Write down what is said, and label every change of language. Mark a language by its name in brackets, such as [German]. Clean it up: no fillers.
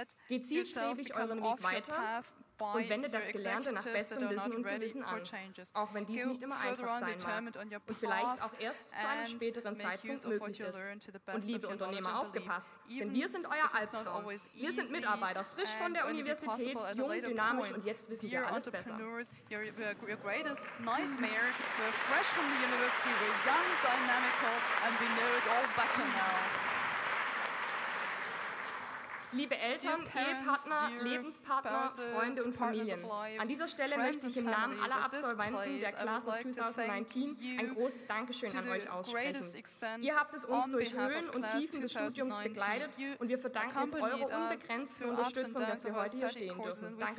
[German] Geht zielstrebig euren Weg weiter und wendet das Gelernte nach bestem Wissen und Gewissen an, auch wenn dies nicht immer einfach sein mag und vielleicht auch erst zu einem späteren Zeitpunkt möglich ist. Und liebe Unternehmer, aufgepasst, denn wir sind euer Albtraum. Wir sind Mitarbeiter, frisch von der Universität, jung, dynamisch und jetzt wissen wir alles besser. [English] Your greatest nightmare. We're fresh from the university, we're young, dynamic, and we know it all better now. [German] Liebe Eltern, Ehepartner, Lebenspartner, Freunde und Familien, an dieser Stelle möchte ich im Namen aller Absolventen der Class of 2019 ein großes Dankeschön an euch aussprechen. Ihr habt es uns durch Höhen und Tiefen des Studiums begleitet und wir verdanken es eurer unbegrenzten Unterstützung, dass wir heute hier stehen dürfen.